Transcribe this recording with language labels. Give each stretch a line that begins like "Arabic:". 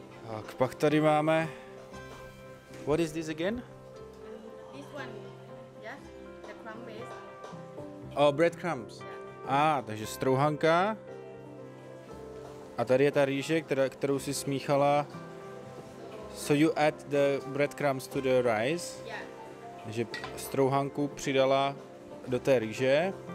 Czech: Tak pak tady máme...
English: What is this again? This one. Yeah, the crumb base. Oh, breadcrumbs.
Czech: Takže strouhanka. A tady je ta rýže, kterou si smíchala.
English: So you add the breadcrumbs to the rice. Yeah.
Czech: Takže strouhanku přidala do té rýže.